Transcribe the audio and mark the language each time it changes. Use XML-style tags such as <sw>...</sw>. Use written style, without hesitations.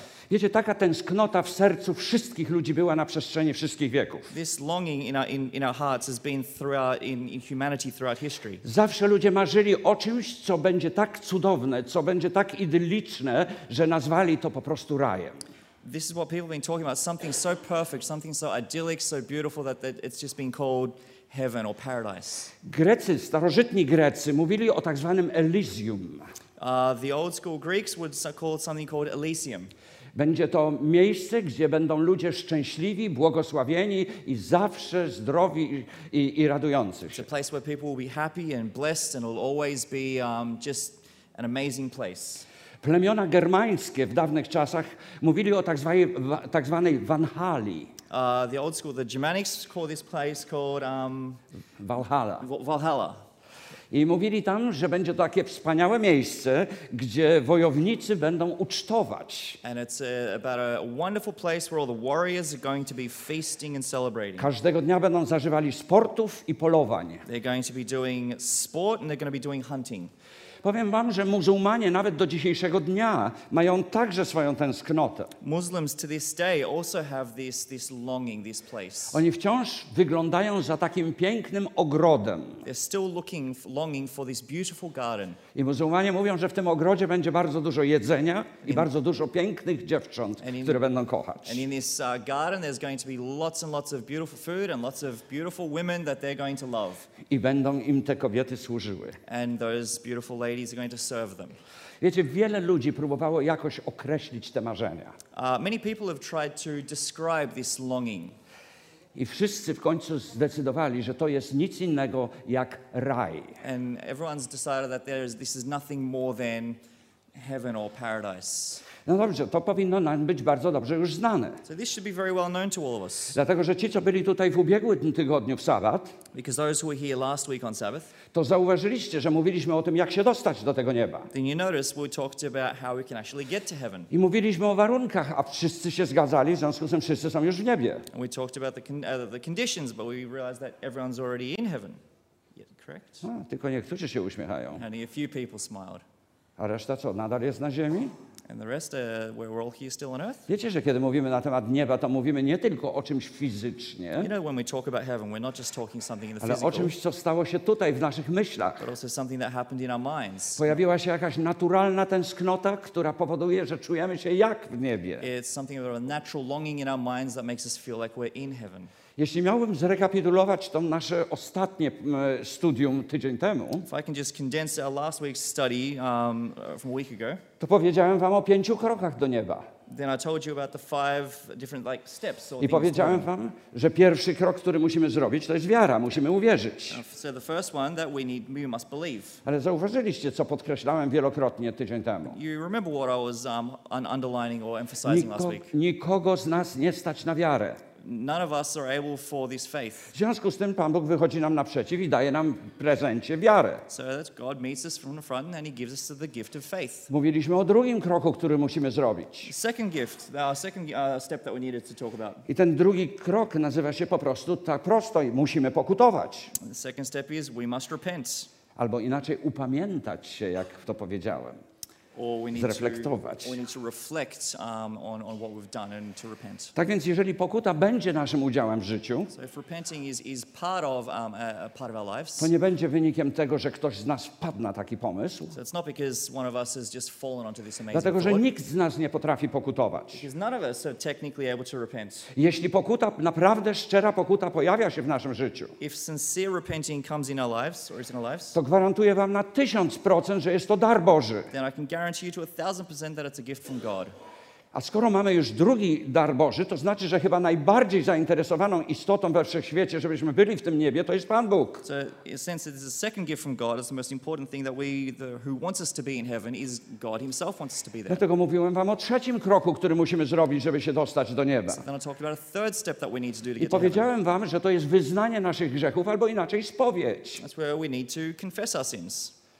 <pl>Wiecie, taka tęsknota w sercu wszystkich ludzi była na przestrzeni wszystkich wieków.</pl> <en>This longing in our hearts has been throughout in humanity throughout history.</en> <pl>Zawsze ludzie marzyli o czymś, co będzie tak cudowne, co będzie tak idylliczne, że nazwali to po prostu rajem.</pl> <en>This is what people have been talking about, something so perfect, something so idyllic, so beautiful that it's just been called heaven or paradise.</en> <pl>Grecy, starożytni Grecy mówili o tak zwanym Elysium.</pl> <en>The old school Greeks would call something called Elysium.</en> <pl>Będzie to miejsce, gdzie będą ludzie szczęśliwi, błogosławieni i zawsze zdrowi i radujący się.</pl> <en>It's a place where people will be happy and blessed and will always be just an amazing place.</en> <pl>Plemiona germańskie w dawnych czasach mówili o tak zwanej Walhali.</pl> <en>The old school, the Germanics call this place called Valhalla. Valhalla.</en> <pl>I mówili tam, że będzie to takie wspaniałe miejsce, gdzie wojownicy będą ucztować.</pl> <en>And it's about a wonderful place where all the warriors are going to be feasting and celebrating.</en> <pl>Każdego dnia będą zażywali sportów i polowań.</pl> <en>They're going to be doing sport and they're going to be doing hunting.</en> <pl>Powiem wam, że muzułmanie nawet do dzisiejszego dnia mają także swoją tęsknotę.</pl> <en>Muslims to this day also have this longing, this place.</en> <pl>Oni wciąż wyglądają za takim pięknym ogrodem.</pl> <en>They're still looking, longing for this beautiful garden.</en> <pl>I muzułmanie mówią, że w tym ogrodzie będzie bardzo dużo jedzenia i bardzo dużo pięknych dziewcząt, które będą kochać.</pl> <en>And in this garden there's going to be lots and lots of beautiful food and lots of beautiful women that they're going to love.</en> <pl>I będą im te kobiety służyły.</pl> <en>And those beautiful ladies are going to serve them.</en> <pl>Wiecie, wiele ludzi próbowało jakoś określić te marzenia.</pl> <en>Many people have tried to describe this longing.</en> <pl>I wszyscy w końcu zdecydowali, że to jest nic innego jak raj.</pl> <en>And everyone's decided that this is nothing more than heaven or paradise.</en> <pl>No dobrze, to powinno nam być bardzo dobrze już znane.</pl> <en>So this should be very well known to all of us.</en> <pl>Dlatego, że ci, co byli tutaj w ubiegłym tygodniu w sabat,</pl> <en>because those who were here last week on Sabbath,</en> <pl>to zauważyliście, że mówiliśmy o tym, jak się dostać do tego nieba.</pl> <en>Then you noticed we talked about how we can actually get to heaven.</en> <pl>I mówiliśmy o warunkach, a wszyscy się zgadzali, w związku z tym wszyscy są już w niebie.</pl> <en>And we talked about the conditions, but we realized that everyone's already in heaven. Yeah, correct?</en> <pl>A, tylko niektórzy się uśmiechają.</pl> <en>Only a few people smiled.</en> <pl>A reszta co, nadal jest na ziemi?</pl> <en>And the rest, we're all here still on earth.</en> <pl>Wiecie, że kiedy mówimy na temat nieba, to mówimy nie tylko o czymś fizycznie,</pl> <en>you know, when we talk about heaven, we're not just talking something in the</en> <pl>ale</pl> <en>physical,</en> <pl>o czymś, co stało się tutaj w naszych myślach.</pl> <en>But also something that happened in our minds.</en> <pl>Pojawiła się jakaś naturalna tęsknota, która powoduje, że czujemy się jak w niebie.</pl> <en>It's something about a natural longing in our minds that makes us feel like we're in heaven.</en> <pl>Jeśli miałbym zrekapitulować to nasze ostatnie studium tydzień temu,</pl> <en>if I can just condense our last week's study from a week ago,</en> <pl>to powiedziałem wam o pięciu krokach do nieba.</pl> <en>Then I told you about the five different like steps.</en> <pl>I powiedziałem wam, że pierwszy krok, który musimy zrobić, to jest wiara, musimy uwierzyć.</pl> <en>So the first one that we must believe.</en> <pl>Ale zauważyliście, co podkreślałem wielokrotnie tydzień temu.</pl> <en>You remember what I was underlining or emphasizing last week.</en> <pl>Nikogo z nas nie stać na wiarę.</pl> <en>None of us are able for this faith.</en> <pl>W związku z tym Pan Bóg wychodzi nam naprzeciw i daje nam prezencie wiary.</pl> <en>So that God meets us from the front and he gives us the gift of faith.</en> <pl>Mówiliśmy o drugim kroku, który musimy zrobić.</pl> <en>Second gift, our second step that we needed to talk about.</en> <pl>I ten drugi krok nazywa się po prostu tak prosto, musimy pokutować.</pl> <en>The second step is we must repent.</en> <pl>Albo inaczej upamiętać się, jak to powiedziałem. Zreflektować.</pl> <en>Or we need to reflect on what we've done and to repent.</en> <pl>Tak więc jeżeli pokuta będzie naszym udziałem w życiu,</pl> <en>so if repenting is part of part of our lives,</en> <pl>to nie będzie wynikiem tego, że ktoś z nas wpadł na taki pomysł.</pl> <en>So it's not because one of us has just fallen onto this amazing.</en> <pl>Dlatego,</pl> <en>thought,</en> <pl>że nikt z nas nie potrafi pokutować.</pl> <en>Because none of us are technically able to repent.</en> <pl>Jeśli pokuta, naprawdę szczera pokuta pojawia się w naszym życiu,</pl> <en>if sincere repenting comes in our lives or is in our lives,</en> <pl>to gwarantuję wam na 1000%, że jest to dar Boży.</pl> <en>Then I can guarantee you to 1000% that it's a gift from God.</en> <pl>A skoro mamy już drugi dar Boży, to znaczy, że chyba najbardziej zainteresowaną istotą we wszechświecie, żebyśmy byli w tym niebie, to jest Pan Bóg.</pl> <en>So in a sense that this is a second gift from God, it's the most important thing that who wants us to be in heaven is God himself wants us to be there.</en> <pl>Dlatego mówiłem wam o trzecim kroku, który musimy zrobić, żeby się dostać do nieba.</pl> <en>So then I talked about a third step that we need to do to get</en> <pl>to. I powiedziałem wam, że to jest wyznanie naszych grzechów albo inaczej spowiedź.</pl> <en>That's where we need to confess our sins.</en>